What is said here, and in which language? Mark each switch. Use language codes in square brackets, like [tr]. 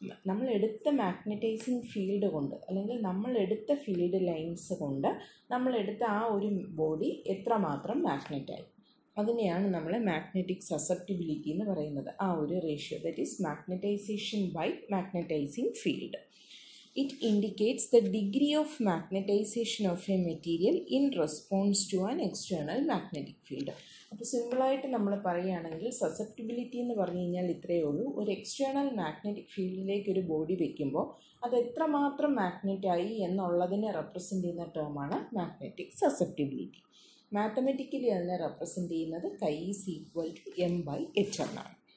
[ml] നമ്മളെടുത്ത magnetizing field കൊണ്ട് അല്ലെങ്കിൽ നമ്മളെടുത്ത field lines കൊണ്ട് നമ്മളെടുത്ത ആ ഒരു ബോഡി എത്രമാത്രം മാഗ്നറ്റായി, അതിനെയാണ് നമ്മൾ മാഗ്നറ്റിക് സസെപ്റ്റിബിലിറ്റി എന്ന് പറയുന്നത്. ആ ഒരു ratio, [en] That is magnetization by magnetizing field. It indicates the degree of magnetization of a material in response to an external magnetic field. [ml] അപ്പോൾ സിമ്പിളായിട്ട് നമ്മൾ പറയുകയാണെങ്കിൽ സസെപ്റ്റിബിലിറ്റി എന്ന് പറഞ്ഞു കഴിഞ്ഞാൽ ഇത്രയേ ഉള്ളൂ, ഒരു എക്സ്റ്റേണൽ മാഗ്നറ്റിക് ഫീൽഡിലേക്ക് ഒരു ബോഡി വയ്ക്കുമ്പോൾ അത് എത്രമാത്രം മാഗ്നറ്റായി എന്നുള്ളതിനെ റെപ്രസെൻ്റ് ചെയ്യുന്ന ടേമാണ് മാഗ്നറ്റിക് സസെപ്റ്റിബിലിറ്റി. മാത്തമെറ്റിക്കലി അതിനെ റെപ്രസെൻ്റ് ചെയ്യുന്നത് [en] chi is equal to M by H [ml] എന്നാണ്.